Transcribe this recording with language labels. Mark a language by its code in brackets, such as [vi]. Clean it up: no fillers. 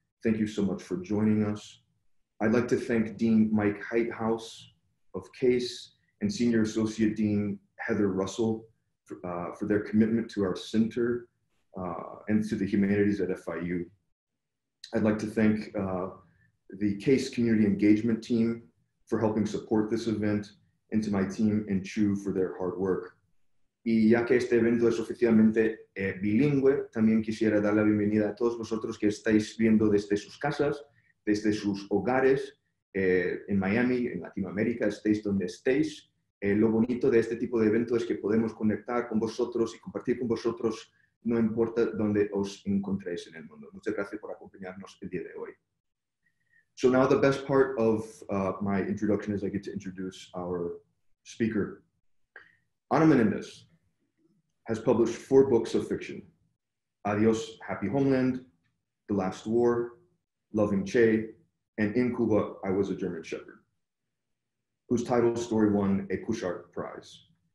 [en] Thank you so much for joining us. I'd like to thank Dean Mike Heithaus of CASE and Senior Associate Dean Heather Russell for their commitment to our center and to the humanities at FIU. I'd like to thank the CASE Community Engagement Team for helping support this event, and to my team in CHU for their hard work. [es] Y ya que este evento es oficialmente bilingüe, también quisiera dar la bienvenida a todos vosotros que estáis viendo desde sus casas, desde sus hogares, en Miami, en Latinoamérica, estéis donde estéis. Lo bonito de este tipo de evento es que podemos conectar con vosotros y compartir con vosotros, no importa dónde os encontréis en el mundo. Muchas gracias por acompañarnos el día de hoy. [en] So now the best part of my introduction is I get to introduce our speaker. Ana Menendez has published 4 books of fiction: Adios, Happy Homeland, The Last War, Loving Che, and In Cuba, I Was a German Shepherd, whose title story won a Couchard Prize.